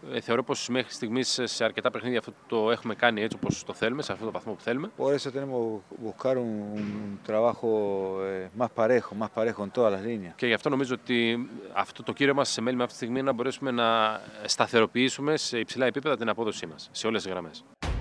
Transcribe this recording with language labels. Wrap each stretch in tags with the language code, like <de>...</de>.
<el>Θεωρώ πως μέχρι στιγμής σε αρκετά παιχνίδια αυτό το έχουμε κάνει έτσι όπως το θέλουμε, σε αυτό το βαθμό που θέλουμε.</el> <es>Por eso tenemos que buscar un trabajo más parejo en todas las líneas.</es> <el>Και γι' αυτό νομίζω ότι αυτό το κύριο μας σε μέλημα αυτή τη στιγμή είναι να μπορέσουμε να σταθεροποιήσουμε σε υψηλά επίπεδα την απόδοσή μας, σε όλες τις γραμμές.</el>